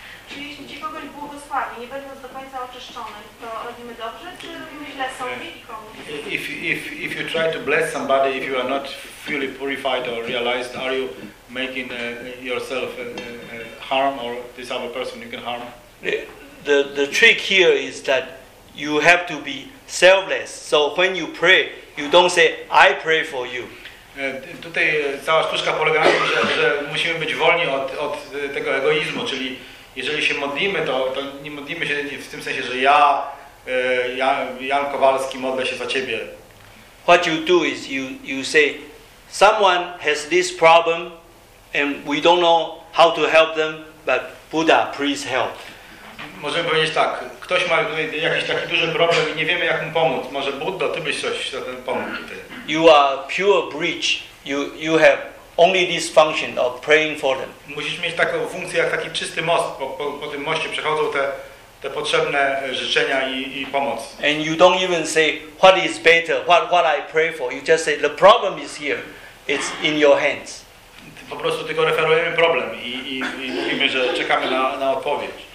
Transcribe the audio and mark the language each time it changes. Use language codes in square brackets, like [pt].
[pl] Czyli jeśli kogoś błogosławi, nie będąc do końca oczyszczonych, to robimy dobrze, czy robimy źle? [en] If you try to bless somebody, if you are not fully purified or realized, are you making yourself harm or this other person you can harm? The trick here is that you have to be selfless. So when you pray, you don't say, I pray for you. [pl] Tutaj cała sztuczka polega na tym, że musimy być wolni od tego egoizmu, czyli jeżeli się modlimy, to nie modlimy się w tym sensie, że ja Jan Kowalski modlę się za ciebie. [en] What you do is you say someone has this problem and we don't know how to help them, but Buddha, please help. [pl] Możemy powiedzieć tak, ktoś ma jakiś taki duży problem i nie wiemy jak mu pomóc. Może Buddha, ty byś coś za ten pomógł tutaj. [en] You are pure bridge. You have only this function of praying for them. [pl] Musisz mieć taką funkcję jak taki czysty most, po tym moście przechodzą te potrzebne życzenia i pomoc. [en] And you don't even say what is better, what I pray for. You just say the problem is here. It's in your hands. [pl] Po prostu tylko referujemy problem i mówimy, że czekamy na odpowiedź.